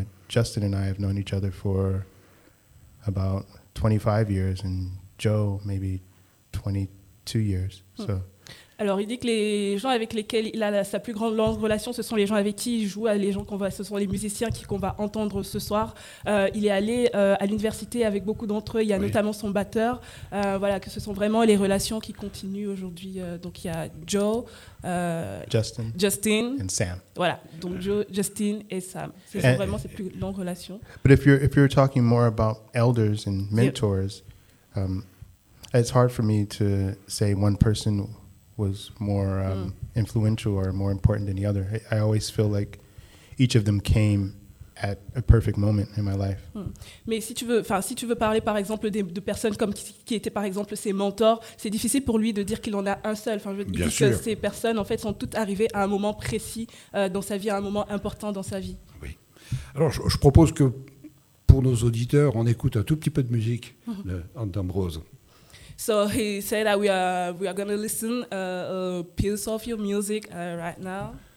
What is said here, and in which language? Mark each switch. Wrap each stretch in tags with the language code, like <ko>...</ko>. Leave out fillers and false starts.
<en>Justin and I have known each other for about 25 years, and Joe maybe 22 years. So.</en> <fr>Alors, il dit que les gens avec lesquels il a sa plus grande longue relation, ce sont les gens avec qui il joue, ce sont les musiciens qu'on va entendre ce soir. Il est allé à l'université avec beaucoup d'entre eux. Il y a notamment son batteur. Voilà, que ce sont vraiment les relations qui continuent aujourd'hui. Donc, il y a Joe,</fr> <en>Justin, and Sam.</en> <fr>Voilà, donc Joe, Justin et Sam. Ce sont vraiment ses plus longues relations.</fr> <en>But if you're talking more about elders and mentors, yep. It's hard for me to say one person was more influential or more important than the other. I always feel like each of them came at a perfect moment in my life. Mm.</en> <fr>Mais si tu veux parler par exemple de personnes comme qui étaient par exemple ses mentors, c'est difficile pour lui de dire qu'il en a un seul. Enfin, je veux dire que ces personnes en fait sont toutes arrivées à un moment précis dans sa vie, à un moment important dans sa vie. Oui. Alors, je propose que pour nos auditeurs, on écoute un tout petit peu de musique d'Ambrose.</fr> <en>So he said that we are going to listen a piece of your music right now.</en>